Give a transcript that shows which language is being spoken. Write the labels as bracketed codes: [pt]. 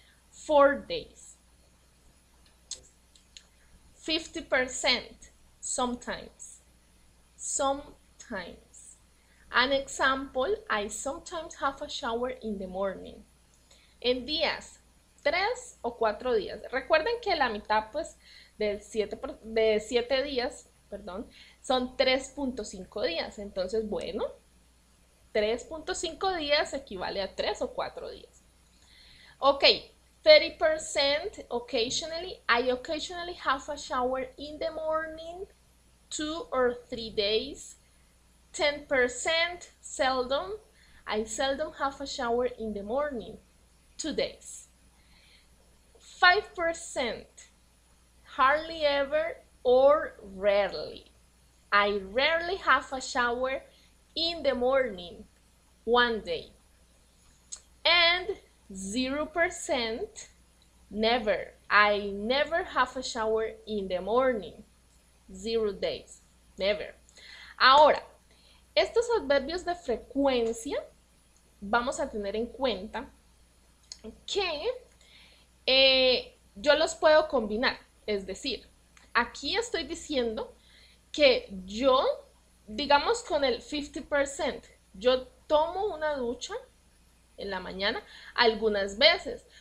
[en] 4 days. 50%. Sometimes. Sometimes. An example, I sometimes have a shower in the morning. [es] En días, 3 o 4 días. Recuerden que la mitad, pues, de 7 días, perdón. Son 3.5 días. Entonces, bueno, 3.5 días equivale a 3 o 4 días. [en] Ok, 30% occasionally. I occasionally have a shower in the morning, 2 or 3 days. 10% seldom. I seldom have a shower in the morning, 2 days. 5% hardly ever or rarely. I rarely have a shower in the morning, 1 day. And 0% never. I never have a shower in the morning, 0 days, never. [es] Ahora, estos adverbios de frecuencia vamos a tener en cuenta que yo los puedo combinar. Es decir, aquí estoy diciendo que yo, digamos con el 50%, yo tomo una ducha en la mañana algunas veces.